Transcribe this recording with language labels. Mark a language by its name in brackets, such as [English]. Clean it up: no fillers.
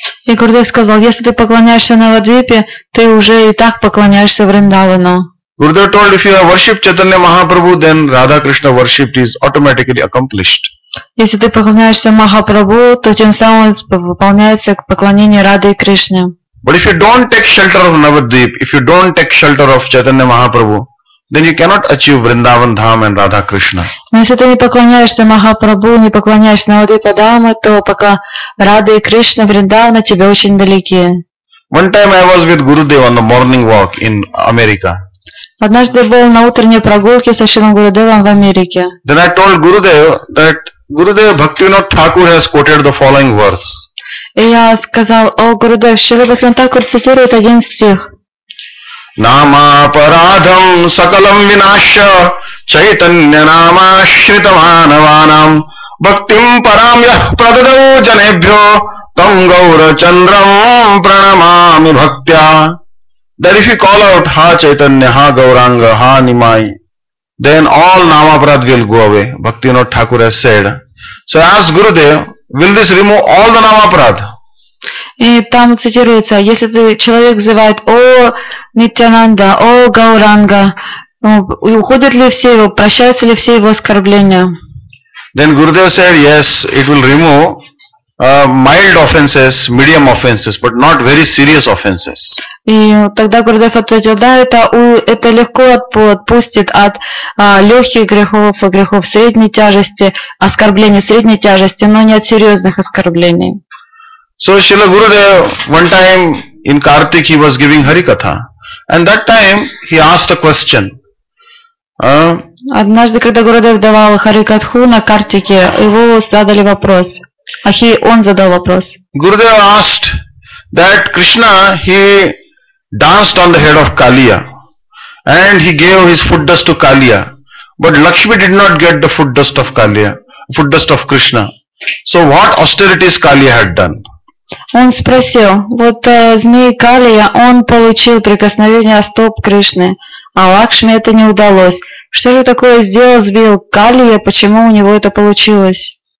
[Russian] И Гурудев сказал, если ты поклоняешься Навадвипе, ты уже и так поклоняешься Вриндавану. [English] Гурудев told if you worship Чайтанья Махапрабху, then Радха Кришна worship is automatically accomplished. [Russian] Если ты поклоняешься Махапрабху, то тем самым выполняется поклонение Раде и Кришне. [English] But if you don't take shelter of Navadvip, if you don't take shelter of Chaitanya Mahaprabhu, then you cannot achieve Vrindavan Dham and Radha Krishna. [Russian] Но если ты не поклоняешься Махапрабху, не поклоняешься Навадвипа Дхаме, то пока Раде и Кришна, Вриндавана тебе очень далеки. [English] One time I was with Gurudev on the morning walk in America. [Russian] Однажды был на утренней прогулке со Шрилой Гурудевом в Америке. [English] Then I told Gurudev that Gurudev Bhaktivinoda Thakur has quoted the following verse. [Russian] И я сказал, о Гурудев, Шрила Бхактивинода Тхакур цитирует один стих. [Sanskrit] Нама парадам сакалам винаша чайтанья нама шритаванаванам бхактим парам ях прададау джанебхьо там гаура чандрам пранамами бхактя. [English] That if you call out, Ha Chaitanya, Ha Gauranga, Ha Nimai, then all Namaparad will go away, Bhaktivinoda Thakur has said. So ask Gurudev, will this remove all the Namaparad? [Russian] И там цитируется, если человек взывает, О Нитьянанда, О Гауранга, уходят ли все его, прощаются ли все его оскорбления? [English] Then Gurudev said, yes, it will remove mild offenses, medium offenses, but not very serious offenses. [Russian] И тогда Гурдев ответил, да, это легко отпустит от легких грехов и грехов средней тяжести, оскорблений средней тяжести, но не от серьезных оскорблений. [English] So, Srila Gurudev, one time in Kartik, he was giving Harikatha. And that time, he asked a question. [Russian] Однажды, когда Гурудев давал Харикатху на Картике, его задали вопрос. Он задал вопрос. [English] Gurudev asked that Krishna, he danced on the head of Kaliya and he gave his foot dust to Kaliya, but Lakshmi did not get the foot dust of Kaliya, foot dust of Krishna. So what austerities Kaliya had done? [Russian] Он спросил, вот змей Калия, он получил прикосновение стоп Кришны, а Лакшми это не удалось. Что же такое сделал, сбил Калия, почему у него это получилось?